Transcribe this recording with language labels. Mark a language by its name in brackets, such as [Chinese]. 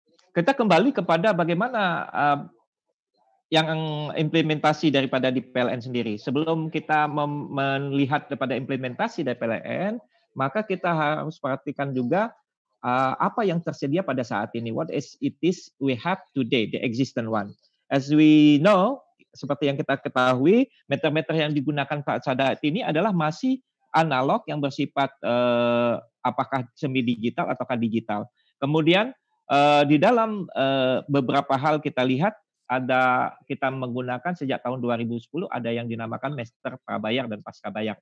[Indonesian] Kita kembali kepada bagaimana yang implementasi daripada di PLN sendiri. Sebelum kita melihat daripada implementasi dari PLN, maka kita harus perhatikan juga apa yang tersedia pada saat ini. [English] What is it is we have today, the existing one. As we know, [Indonesian] seperti yang kita ketahui, meter-meter yang digunakan saat ini adalah masih analog yang bersifat apakah semi-digital ataukah digital. Kemudian di dalam beberapa hal kita lihat ada kita menggunakan sejak tahun 2010 ada yang dinamakan meter prabayar dan pasca bayar.